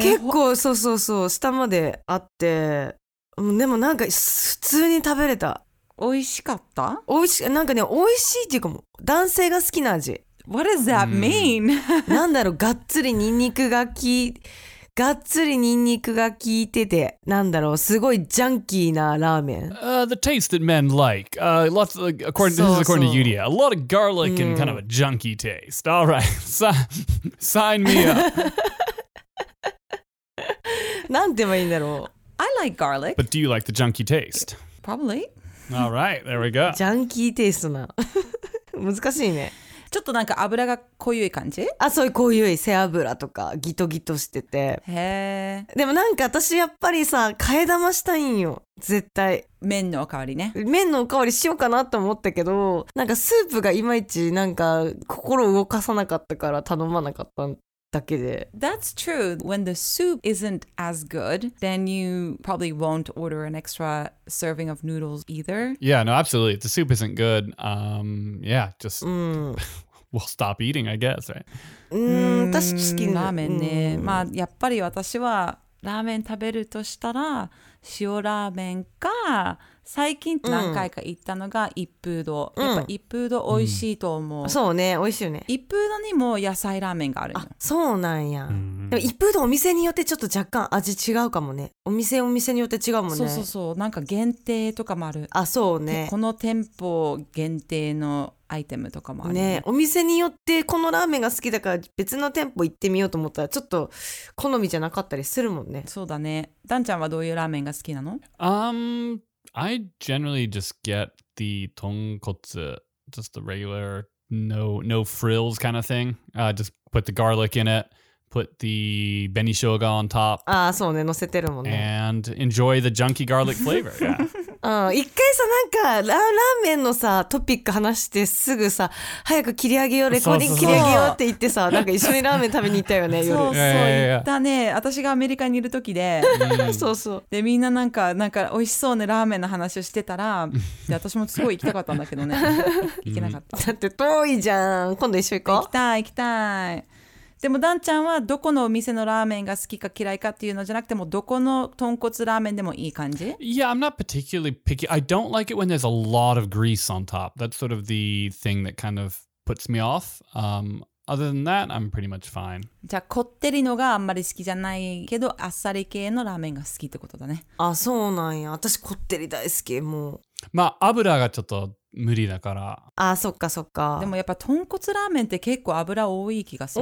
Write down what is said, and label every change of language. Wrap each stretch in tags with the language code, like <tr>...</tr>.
<ja>結構そうそうそう下まであって、でもなんか普通に食べれた。美味しかった？美味しい、なんかね、美味しいっていうかも男性が好きな味。</ja> <en>What does that mean?</en> <ja>なんだろう、がっつりニンニクが効いて、がっつりニンニクが効いてて、なんだろう、すごいジャンキーなラーメン。</ja> <en>The taste that men like. Lots of, according, this is according to Yuria. A lot of garlic and kind of a junky taste. All right. Sign me up.</en> <ja>なんて言えばいいんだろう。</ja> <en>I like garlic. But do you like the junky taste? Probably. All right. There we go.</en> <ja>ジャンキーテイストな。難しいね。ちょっとなんか油が濃ゆい感じ？あ、そういう濃ゆい背脂とかギトギトしてて。へえ。でもなんか私やっぱりさ、替え玉したいんよ。絶対。麺のおかわりね。麺のおかわりしようかなと思ったけど、なんかスープがいまいちなんか心動かさなかったから頼まなかったんだけで。</ja> <en>That's true. When the soup isn't as good, then you probably won't order an extra serving of noodles either. Yeah, no, absolutely. If the soup isn't good, yeah, just... We'll stop eating, I guess, right?</en> <ja>ラーメンね。まあやっぱり私はラーメン食べるとしたら塩ラーメンか、最近何回か行ったのが一風堂。やっぱ一風堂美味しいと思う。そうね、美味しいよね。一風堂にも野菜ラーメンがあるの。あ、そうなんや。でも一風堂お店によってちょっと若干味違うかもね。お店お店によって違うもんね。そうそうそう、なんか限定とかもある。あ、そうね、この店舗限定のアイテムとかもあるね。お店によってこのラーメンが好きだから別の店舗行ってみようと思ったらちょっと好みじゃなかったりするもんね。そうだね。ダンちゃんはどういうラーメンが好きなの？</ja> <en>I generally just get the tonkotsu, just the regular no frills kind of thing. Just put the garlic in it, put the benishouga on top.</en> <ja>ああ、そうね、乗せてるもんね。</ja> <en>And enjoy the junky garlic flavor. Yeah.</en> <ja>一回さ、なんかラーメンのさトピック話してすぐさ早く切り上げよう、レコーディング切り上げようって言ってさ、なんか一緒にラーメン食べに行ったよね、夜。そうそう、行ったね。私がアメリカにいる時で、そうそう。でみんななんか美味しそうねラーメンの話をしてたら、で私もすごい行きたかったんだけどね、行けなかった。だって遠いじゃん。今度一緒行こう。行きたい行きたい。でもダンちゃんはどこのお店のラーメンが好きか嫌いかっていうのじゃなくても、どこの豚骨ラーメンでもいい感じ？</ja> <en>Yeah, I'm not particularly picky. I don't like it when there's a lot of grease on top. That's sort of the thing that kind of puts me off. Other than that, I'm pretty much fine.</en> <ja>じゃあこってりのがあんまり好きじゃないけど、あっさり系のラーメンが好きってことだね。あ、そうなんや。私こってり大好き、もう。まあ油がちょっと無理だから。あ、そっかそっか。でもやっぱ豚骨ラーメンって結構油多い気がする。</ja>